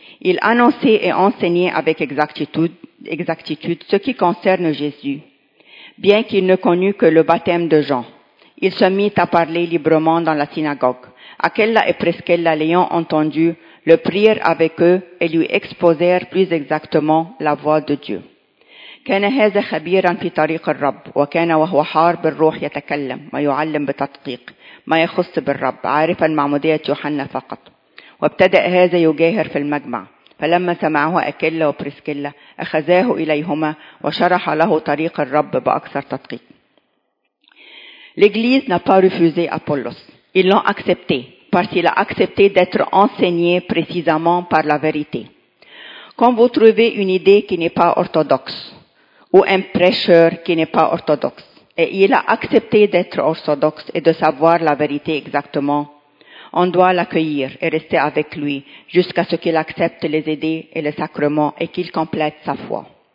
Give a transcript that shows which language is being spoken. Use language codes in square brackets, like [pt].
[fr] Il annonçait et enseignait avec exactitude ce qui concerne Jésus, bien qu'il ne connût que le baptême de Jean. Il se mit à parler librement dans la synagogue. Aquila et Priscilla l'ayant entendu, le prièrent avec eux et lui exposèrent plus exactement la voix de Dieu. [ar] كان هذا خبيرا في طريق الرب وكان وهو حار بالروح يتكلم ويعلم بتدقيق ما يخص بالرب عارفا معمودية يوحنا فقط وابتدأ هذا يجاهر في المجمع فلما سمعه أكيلا وبريسكيلا أخذاه إليهما وشرح له طريق الرب بأكثر تدقيق. [fr] L'Église n'a pas refusé Apollos. Ils l'ont accepté, parce qu'il a accepté d'être enseigné précisément par la vérité. Quand vous trouvez une idée qui n'est pas orthodoxe, ou un prêcheur qui n'est pas orthodoxe, et il a accepté d'être orthodoxe et de savoir la vérité exactement, on doit l'accueillir et rester avec lui jusqu'à ce qu'il accepte les idées et les sacrements et qu'il complète sa foi.